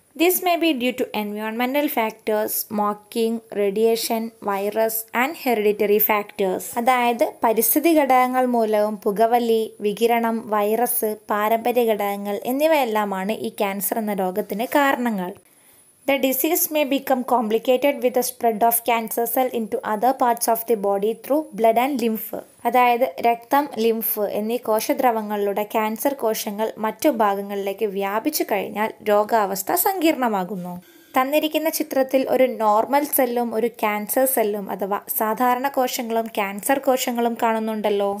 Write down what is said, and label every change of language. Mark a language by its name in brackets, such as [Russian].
[English] this may be due to എൻവയോൺമെന്റൽ factors smoking radiation virus and hereditary factors [Malayalam] അതായത് പരിസ്ഥിതി ഘടകങ്ങൾ മൂലവും പുകവലി വികിരണം വൈറസ് പാരമ്പര്യ ഘടകങ്ങൾ എന്നിവയെല്ലാമാണ് ഈ ക്യാൻസർ എന്ന രോഗത്തിന് കാരണങ്ങൾ. [English] The disease may become complicated with the spread of cancer cell into other parts of the body through blood and lymph. [Malayalam] അതായത് രക്തം ലിംഫ് എന്നീ കോശദ്രവങ്ങളിലൂടെ ക്യാൻസർ കോശങ്ങൾ മറ്റു ഭാഗങ്ങളിലേക്ക് വ്യാപിച്ചു കഴിഞ്ഞാൽ രോഗാവസ്ഥ സങ്കീർണമാകുന്നു. തന്നിരിക്കുന്ന ചിത്രത്തിൽ ഒരു നോർമൽ സെല്ലും ഒരു ക്യാൻസർ സെല്ലും അഥവാ സാധാരണ കോശങ്ങളും ക്യാൻസർ കോശങ്ങളും കാണുന്നുണ്ടല്ലോ.